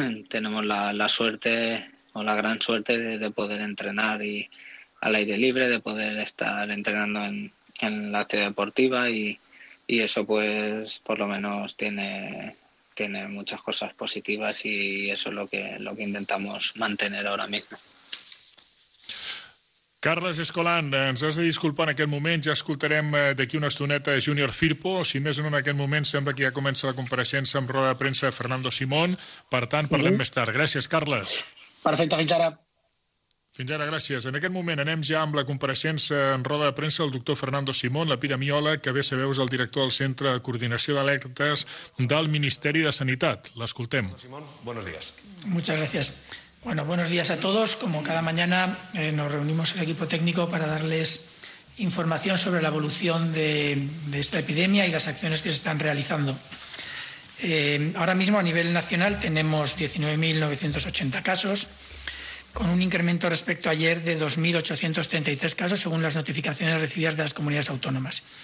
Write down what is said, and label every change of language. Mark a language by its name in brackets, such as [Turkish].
[Spanish] tenemos la suerte o la gran suerte de poder entrenar y al aire libre, de poder estar entrenando en la ciudad deportiva y eso pues por lo menos tiene muchas cosas positivas y eso es lo que intentamos mantener ahora mismo. [Catalan] Carles Escolan, ens has de disculpar en aquest moment, ja escoltarem d'aquí una estoneta Junior Firpo, si més no en aquest moment sembla que ja comença la compareixença amb roda de premsa de Fernando Simón, per tant parlem més tard. Gràcies, Carles. Perfecte, fins ara. Fins ara, gràcies. En aquest moment anem ja amb la compareixença en roda de premsa del doctor Fernando Simón, l'epidemiòleg, que bé sabeu és el director del Centre de Coordinació d'Alertes del Ministeri de Sanitat. L'escoltem. [Spanish] Simón, buenos días. Muchas gracias. Bueno, buenos días a todos. Como cada mañana nos reunimos el equipo técnico para darles información sobre la evolución de esta epidemia y las acciones que se están realizando. Ahora mismo a nivel nacional tenemos 19.980 casos, con un incremento respecto a ayer de 2.833 casos, según las notificaciones recibidas de las comunidades autónomas.